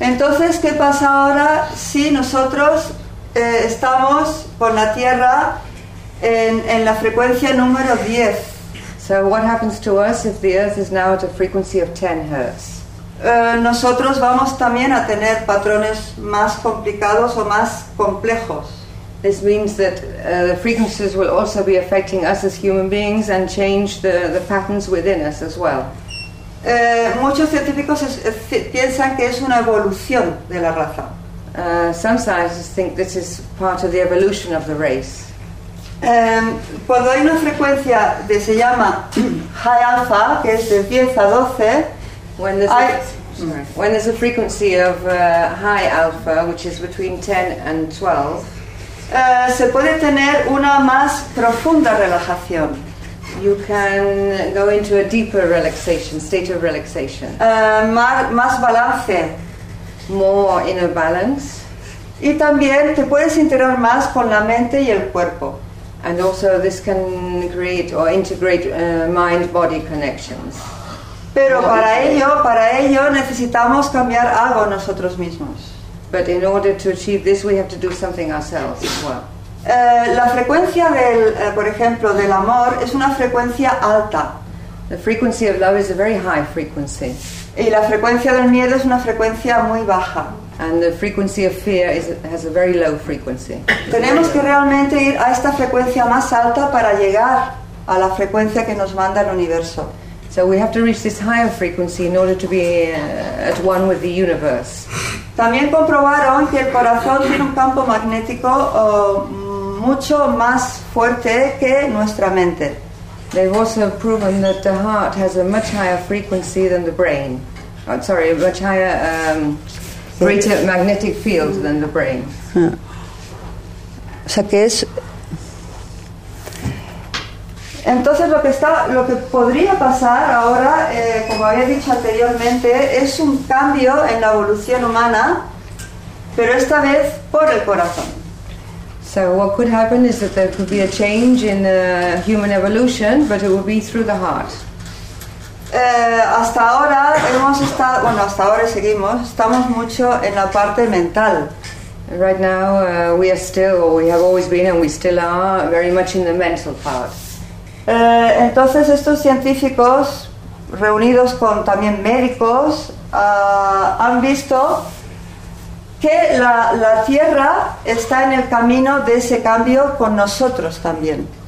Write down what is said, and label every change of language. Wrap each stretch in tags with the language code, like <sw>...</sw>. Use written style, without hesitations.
<es>Entonces, ¿qué pasa ahora si nosotros estamos por la Tierra en la frecuencia número 10?</es> <en>So what happens to us if the Earth is now at a frequency of 10 Hz?</en> <es>Nosotros vamos también a tener patrones más complicados o más complejos.</es> <en>This means that the frequencies will also be affecting us as human beings and change the patterns within us as well.</en> <es>Muchos científicos piensan que es una evolución de la raza.</es> <en>Some scientists think this is part of the evolution of the race.</en> <es>Cuando hay una frecuencia que se llama high alpha, que es de 10 a 12,</es> <en>when there's a frequency of high alpha, which is between 10 and 12,</en> <es>se puede tener una más profunda relajación.</es> <en>You can go into a deeper relaxation, state of relaxation.</en> <es>Más balance.</es> <en>More inner balance.</en> <es>Y también te puedes integrar más con la mente y el cuerpo.</es> <en>And also this can create or integrate mind-body connections.</en> <es>Pero para ello necesitamos cambiar algo nosotros mismos.</es> <en>But in order to achieve this we have to do something ourselves as well.</en> <es>La frecuencia del, por ejemplo, del amor es una frecuencia alta.</es> <en>The frequency of love is a very high frequency.</en> <es>Y la frecuencia del miedo es una frecuencia muy baja.</es> <en>And the frequency of fear has a very low frequency.</en> <es>Tenemos que realmente ir a esta frecuencia más alta para llegar a la frecuencia que nos manda el universo.</es> <en>So we have to reach this higher frequency in order to be at one with the universe.</en> <es>También comprobaron que el corazón tiene un campo magnético mucho más fuerte que nuestra mente.</es> <en>They've also proven that the heart has a much higher frequency than the brain. Oh, sorry, a much higher, greater magnetic field than the brain.</en> <es>O sea que es... Entonces lo que podría pasar ahora, como había dicho anteriormente, es un cambio en la evolución humana, pero esta vez por el corazón.</es> <en>So what could happen is that there could be a change in human evolution, but it would be through the heart.</en> <es>Hasta ahora hemos estado, bueno, hasta ahora seguimos, estamos mucho en la parte mental.</es> <en>Right now we are still, or we have always been, and we still are very much in the mental part.</en> <es>Entonces estos científicos reunidos con también médicos han visto que la Tierra está en el camino de ese cambio con nosotros también.</es>